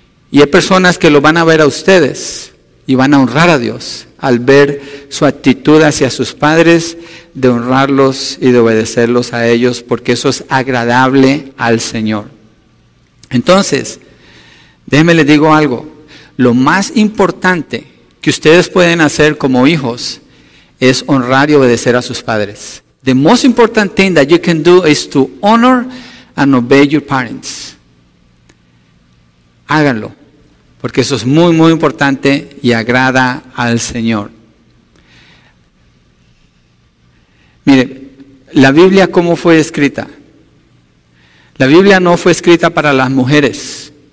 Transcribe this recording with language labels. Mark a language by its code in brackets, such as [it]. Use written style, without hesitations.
[es] Y hay personas que lo van a ver a ustedes y van a honrar a Dios al ver su actitud hacia sus padres, de honrarlos y de obedecerlos a ellos, porque eso es agradable al Señor. Entonces, déjenme les digo algo. Lo más importante que ustedes pueden hacer como hijos es honrar y obedecer a sus padres. [en] The most important thing that you can do is to honor and obey your parents. [es] Háganlo, porque eso es muy, muy importante y agrada al Señor. Mire, la Biblia, ¿cómo fue escrita? La Biblia no fue escrita para las mujeres.